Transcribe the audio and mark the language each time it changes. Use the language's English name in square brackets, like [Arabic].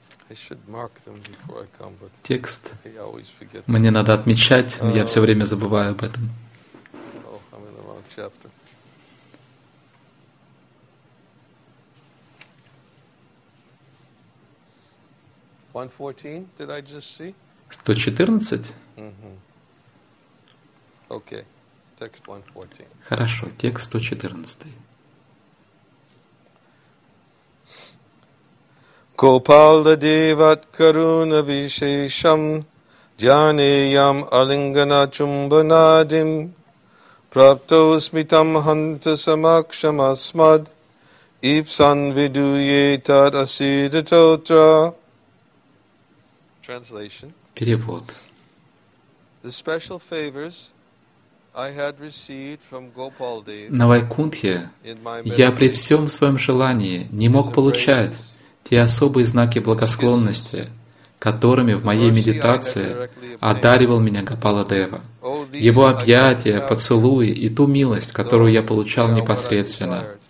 [English] I should mark them before I come, but [Russian] текст. Мне надо отмечать, я все время забываю об этом. [English] Oh, I'm in the wrong chapter. Did I just see? 114. Mm-hmm. Okay. Text 114. [Russian] Хорошо, текст 114. [Sanskrit] Gopala devat karuna vishesham janeyam alingana chumbanadim prapto smitam hanta samaksham asmad ipsan viduye tad asidatotra. [English] Translation. [Russian] Перевод. [English] The special favors I had received from Gopal Dev. [Russian] На Вайкунтхе я при всем своем желании не мог получать те особые знаки благосклонности, которыми в моей медитации одаривал меня Гопала Дева. Его объятия, поцелуи и ту милость, которую я получал непосредственно.